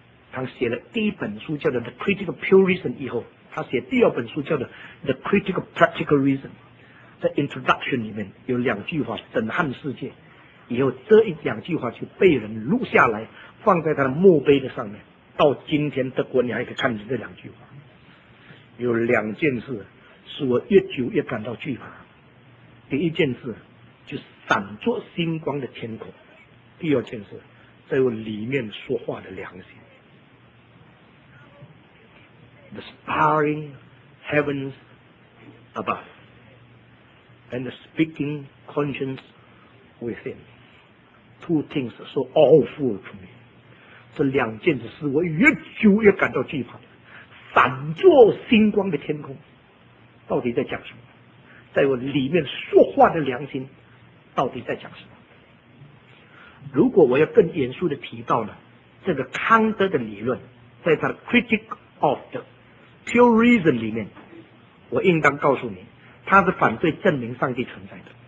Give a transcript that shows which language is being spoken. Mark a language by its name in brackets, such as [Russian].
[Chinese] 他写了第一本书叫做 The Critical Pure Reason 以后，他写第二本书叫做 The Critical Practical Reason， 在 Introduction 里面有两句话震撼世界，以后这一两句话就被人录下来放在他的墓碑的上面，到今天德国你还可以看见这两句话。有两件事使我越久越感到惧怕，第一件事就闪烁星光的天空，第二件事在我里面说话的良心。 [English] The starring heavens above and the speaking conscience within, two things so awful to me。 [Chinese] 这两件事使我越久越感到惧怕，闪烁星光的天空到底在讲什么，在我里面说话的良心到底在讲什么。如果我要更严肃的提到呢，这个康德的理论在他的 Critic of the Pure Reason 里面，我应当告诉你他是反对证明上帝存在的。